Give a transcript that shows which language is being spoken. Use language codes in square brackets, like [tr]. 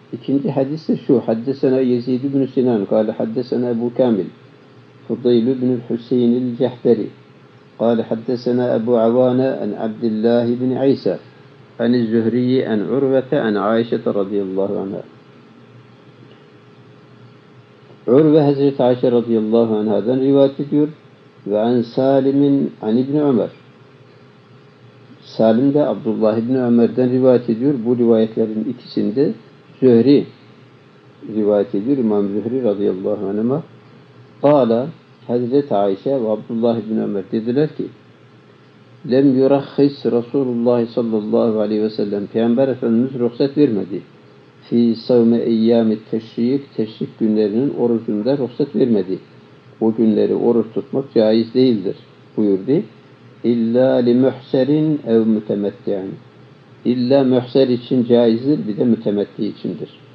[tr] İkinci hadis de şu. Haddesena Yezid ibn Sinan kâle haddesena Ebu Kamil Fudayl ibn Hüseyin el-Cehteri kâle haddesena Ebu Avana en Abdullah ibn İsa [ar] عن الزهري عن عروة عن عائشة رضي الله عنها عروة حضرت عائشة رضي الله عنها ذن رواية [tr] diyor [ar] وعن سالم عن ابن عمر [tr] سالم de Abdullah ibn Ömer'den rivayet ediyor. Bu rivayetlerin ikisinde Zühri rivayet ediyor. İmam Zühri [ar] رضي الله عنه قال حضرت عائشة [tr] ve Abdullah ibn Ömer dediler ki [ar] لم يرخص رسول الله صلى الله عليه وسلم [tr] Peygamber Efendimiz ruhsat vermedi. [ar] في صوم أيام التشريق [tr] teşrik günlerinin orucunda ruhsat vermedi. O günleri oruç tutmak caiz değildir buyurdu. [ar] إلا لمحسر أو متمتع إلا محسر [tr] için caizdir bir de mütemettî içindir.